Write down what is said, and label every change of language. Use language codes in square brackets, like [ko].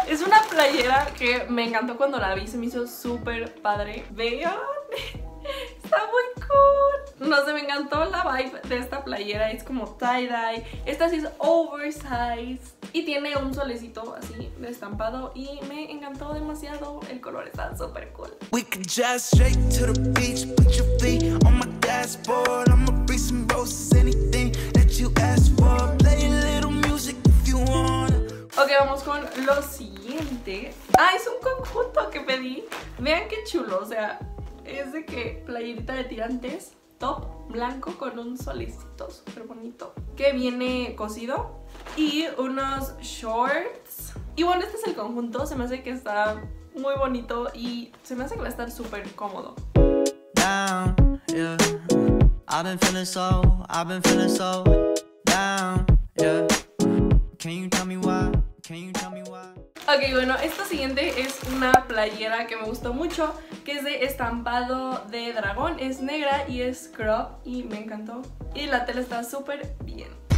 [es] Es una playera que me encantó cuando la vi, se me hizo súper padre. Vean, está muy cool. No sé, me encantó la vibe de esta playera, es como tie-dye. Esta sí es oversized y tiene un solecito así de estampado y me encantó demasiado, el color está súper cool. [en] We could just shake to the beach, put your feet on my dashboard. I'ma bring some roses, anything that you ask for. Play a little music if you wanna. [es] Ok, vamos con lo siguiente. Ah, es un conjunto que pedí. Vean qué chulo, o sea, es de que playerita de tirantes, top blanco con un solecito súper bonito, que viene cosido. Y unos shorts. Y bueno, este es el conjunto. Se me hace que está muy bonito y se me hace que va a estar súper cómodo. [en] Down, yeah. I've been feeling so, I've been feeling so. Down, yeah. Can you tell me why? Can you tell me why? [es] Ok, bueno, esta siguiente es una playera que me gustó mucho, que es de estampado de dragón. Es negra y es crop y me encantó. Y la tela está súper bien.